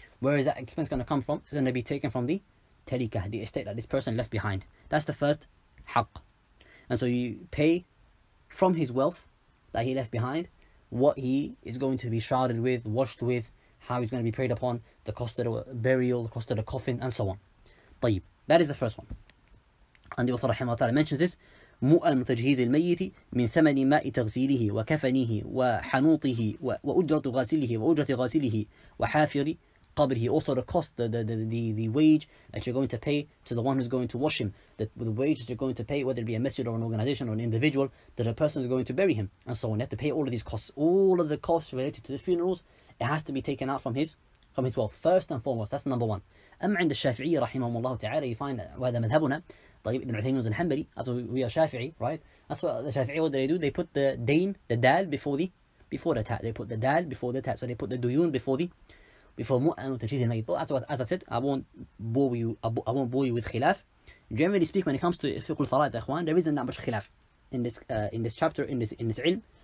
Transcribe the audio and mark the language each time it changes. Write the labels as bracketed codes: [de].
[en] Where is that expense going to come from? It's going to be taken from the tarika, the estate that this person left behind. That's the first haqq. And so you pay from his wealth that he left behind, what he is going to be shrouded with, washed with, how he's going to be preyed upon, the cost of the burial, the cost of the coffin, and so on. طيب, that is the first one. And the author [ar] رحمه الله تعالى [en] mentions this, [ar] مُؤَنُ تَجْهِيزِ الْمَيِّتِ مِنْ ثَمَنِ مَاءِ تَغْزِيلِهِ وَكَفَنِهِ وَحَنُوطِهِ وَأُجْرَةُ غَاسِلِهِ وَأُجْرَةِ غَاسِلِهِ وَحَافِرِ. [en] Also the cost, the wage that you're going to pay to the one who's going to wash him, the wage that you're going to pay, whether it be a masjid or an organization or an individual, that a person is going to bury him, and so on. You have to pay all of these costs, all of the costs related to the funerals. It has to be taken out from his wealth first and foremost. That's number one. [ar] أم عند الشافعي رحمه الله تعالى, [en] you find [ar] وهذا مذهبنا طيب ابن عثيمين الحنبلي. [en] As we are Shafi'i, right? That's what the Shafi'i, what they do, they put the dain, the dal, before the ta. They put the dal before the ta, so they put the duyun before [ar] مؤن وتجهيز الميت. [en] But as I said, I won't bore you with khilaf. Generally speak, when it comes to fiqh al-fara'id, ikhwan, there isn't that much khilaf in this chapter, in this ilm.